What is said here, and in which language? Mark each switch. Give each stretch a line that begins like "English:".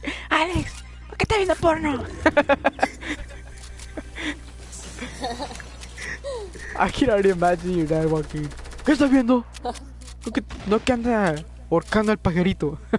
Spanish: Alex, ¿por qué estás viendo porno?
English: I can already imagine your dad walking.
Spanish: ¿Qué estás viendo? ¿No que anda ahorcando al pajarito?